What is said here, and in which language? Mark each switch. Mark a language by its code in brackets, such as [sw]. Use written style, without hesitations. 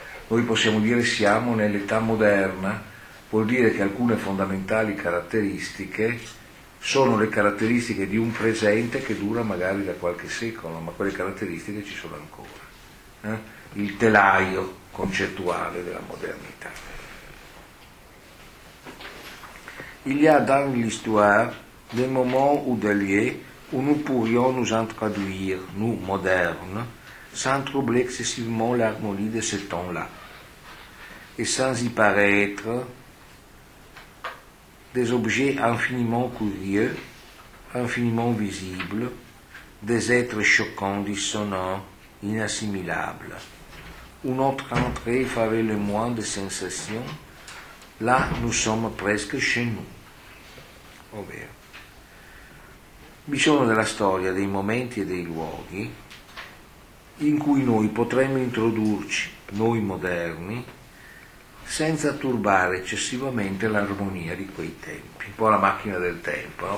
[it] Noi possiamo dire siamo nell'età moderna, vuol dire che alcune fondamentali caratteristiche sono le caratteristiche di un presente che dura magari da qualche secolo, ma quelle caratteristiche ci sono ancora. Il telaio concettuale della modernità. [fr] Il y a dans l'histoire des moments où d'alliés où nous pourrions nous introduire, nous modernes, sans troubler excessivement l'harmonie de ce temps-là, et sans y paraître des objets infiniment curieux, infiniment visibles, des êtres choquants, dissonants, inassimilables. Une autre entrée ferait le moins de sensations. Là, nous sommes presque chez nous. [it] Ovvero, vi sono della storia dei momenti e dei luoghi in cui noi potremmo introdurci, noi moderni, senza turbare eccessivamente l'armonia di quei tempi, un po' la macchina del tempo, no?